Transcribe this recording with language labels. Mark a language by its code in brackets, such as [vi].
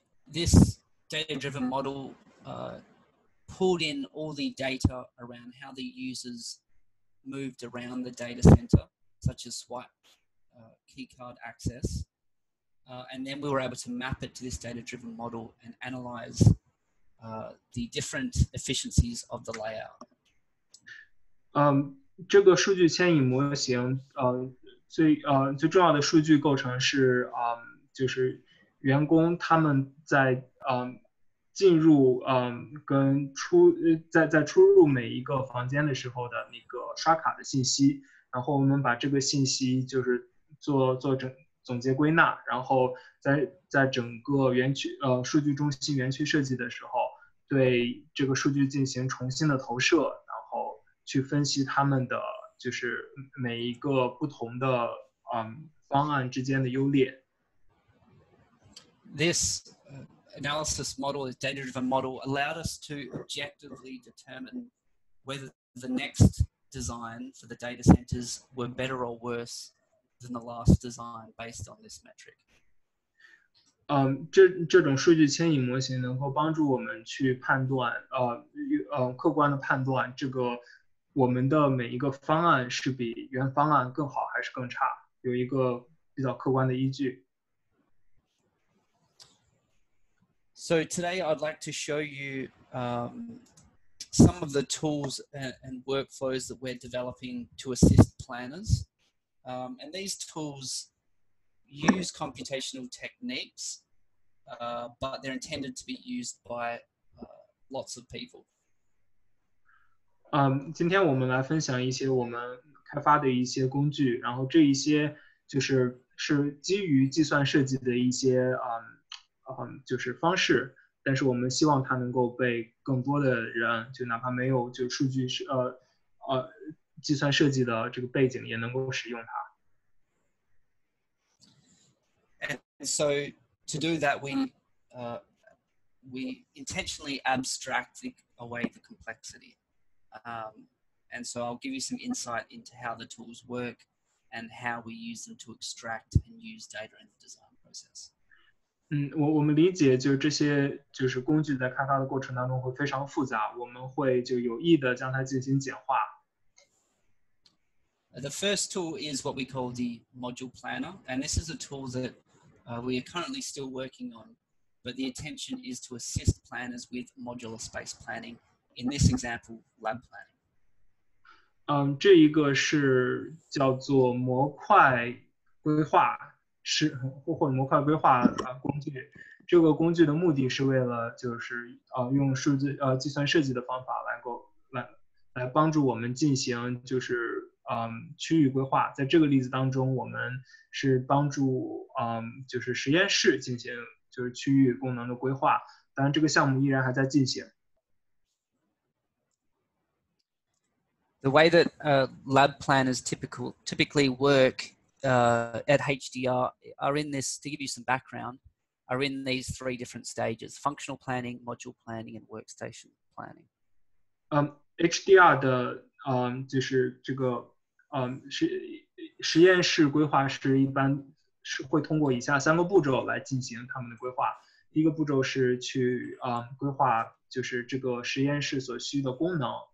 [en] This data-driven model pulled in all the data around how the users moved around the data center, such as swipe, key card access, and then we were able to map it to this data-driven model and analyze the different efficiencies of the layout. [zh] 这个数据牵引模型，最重要的数据构成是就是员工他们在进入跟出在出入每一个房间的时候的那个刷卡的信息，然后我们把这个信息就是做总结归纳，然后在整个园区数据中心园区设计的时候，对这个数据进行重新的投射，然后去分析他们的就是每一个不同的方案之间的优劣。 [en] This analysis model, a data-driven model, allowed us to objectively determine whether the next design for the data centers were better or worse than the last design based on this metric. [zh] 这种数据牵引模型能够帮助我们去判断，客观的判断这个我们的每一个方案是比原方案更好还是更差，有一个比较客观的依据。 [en] So today I'd like to show you some of the tools and workflows that we're developing to assist planners. And these tools use computational techniques, but they're intended to be used by lots of people. [zh] 今天我们来分享一些我们开发的一些工具，然后这一些就是基于计算设计的一些就是方式，但是我们希望它能够被更多的人，就哪怕没有就数据计算设计的这个背景，也能够使用它。 [en] And so to do that, we intentionally abstract away the complexity. And so I'll give you some insight into how the tools work and how we use them to extract and use data in the design process. [zh] 我们理解就是这些就是工具在开发的过程当中会非常复杂，我们会就有意的将它进行简化。 [en] The first tool is what we call the module planner, and this is a tool that we are currently still working on, but the intention is to assist planners with modular space planning, in this example, lab planning. [zh] 这一个是叫做模块规划。是或者模块规划工具，这个工具的目的是为了就是用数字计算设计的方法来帮助我们进行就是区域规划。在这个例子当中，我们是帮助就是实验室进行就是区域功能的规划。当然，这个项目依然还在进行。 [en] The way that lab planners typically work. At HDR are in this, to give you some background, are in these three different stages, functional planning, module planning, and workstation planning. [zh] HDR 的就是这个实验室规划是一般是会通过以下三个步骤来进行他们的规划。第一个步骤是去规划就是这个实验室所需的功能。